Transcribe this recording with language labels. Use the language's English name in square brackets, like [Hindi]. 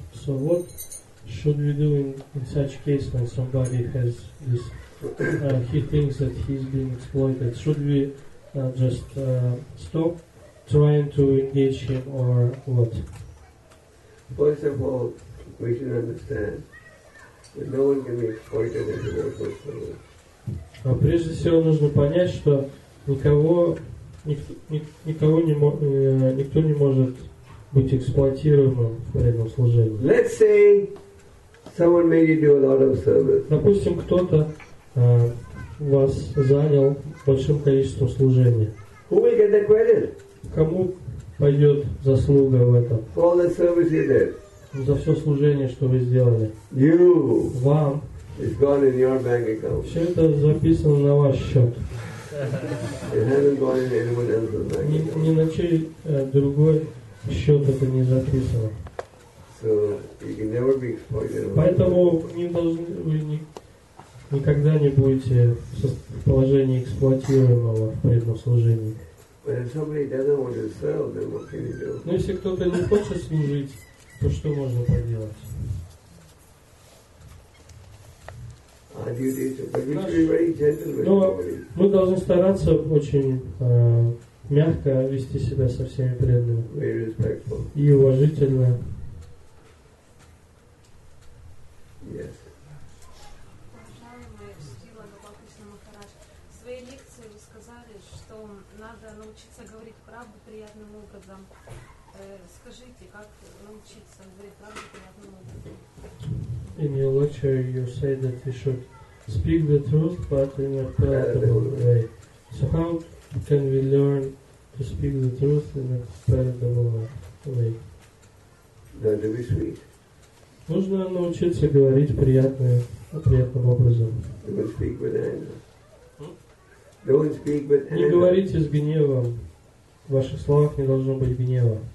[English] So what should we do in such case when somebody has this, he thinks that he's been exploited? Should we just stop trying to engage him or what? First of all, we should understand that no one can be exploited in the world of service. [Russian] А прежде всего нужно понять, что никто не может быть эксплуатируемым в преданном служении. [English] Let's say someone made you do a lot of service. [Russian] Допустим, кто-то вас занял большим количеством служения. [English] Who will get the credit? [Russian] Кому пойдет заслуга в этом? [English] For all the service you did. [Russian] За все служение, что вы сделали. [English] You. [Russian] Вам. [English] It's gone in your bank account. [Russian] Все это записано на ваш счет. [English] It hasn't gone in anyone else's bank account. [Russian] Ни на чей другой счет это не записано. [English] So you can never be exploited. [Russian] Поэтому вы никогда не будете в положении эксплуатируемого в преданном служении. [English] But if somebody doesn't want to sell, then what can you do? [Russian] Но если кто-то не хочет служить, то что можно поделать? Но мы должны стараться очень мягко вести себя со всеми преданными и уважительно. Уважаемый Стива Гопакришна Махарадж, в своей лекции вы сказали, что надо научиться говорить правду приятным образом. Скажите, как научиться говорить правду приятным образом? [English] In your lecture you say that you should speak the truth, but in a palatable way. So how can we learn to speak the truth in a palatable way? Learn to be sweet. [Russian] Нужно научиться говорить приятным образом. [English] Don't speak with anger. Don't speak with anger. [Russian] Не говорите с гневом. В ваших словах не должно быть гнева.